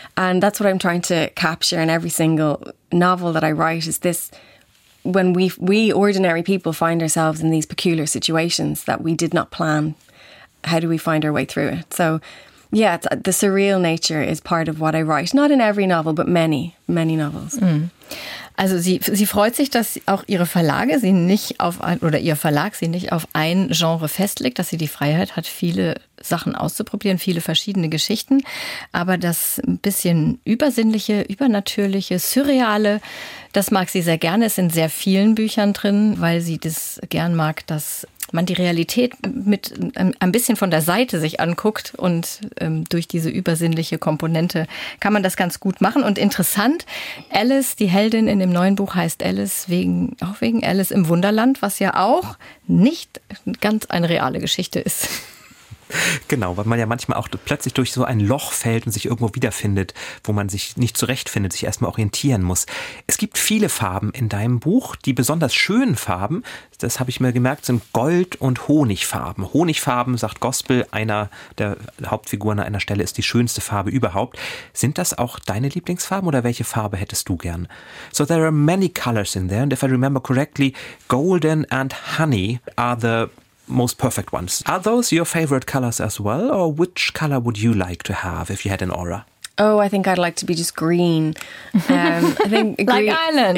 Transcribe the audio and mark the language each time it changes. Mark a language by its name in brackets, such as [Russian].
[English] And that's what I'm trying to capture in every single novel that I write, is this: when we ordinary people find ourselves in these peculiar situations that we did not plan, how do we find our way through it? So, yeah, the surreal nature is part of what I write. Not in every novel, but many, many novels. Mm. [German] Also sie freut sich, dass auch ihre Verlage sie nicht auf ein, oder ihr Verlag sie nicht auf ein Genre festlegt, dass sie die Freiheit hat, viele Sachen auszuprobieren, viele verschiedene Geschichten. Aber das ein bisschen Übersinnliche, Übernatürliche, Surreale, das mag sie sehr gerne. Es sind sehr vielen Büchern drin, weil sie das gern mag, dass man die Realität mit ein bisschen von der Seite sich anguckt, und durch diese übersinnliche Komponente kann man das ganz gut machen. Und interessant, Alice, die Heldin in dem neuen Buch, heißt Alice wegen Alice im Wunderland, was ja auch nicht ganz eine reale Geschichte ist. Genau, weil man ja manchmal auch plötzlich durch so ein Loch fällt und sich irgendwo wiederfindet, wo man sich nicht zurechtfindet, sich erstmal orientieren muss. Es gibt viele Farben in deinem Buch. Die besonders schönen Farben, das habe ich mir gemerkt, sind Gold- und Honigfarben. Honigfarben, sagt Gospel, einer der Hauptfiguren an einer Stelle, ist die schönste Farbe überhaupt. Sind das auch deine Lieblingsfarben oder welche Farbe hättest du gern? [English] So there are many colors in there, and if I remember correctly, golden and honey are the most perfect ones. Are those your favorite colors as well, or which color would you like to have if you had an aura? Oh, I think I'd like to be just green. I think green, like Ireland.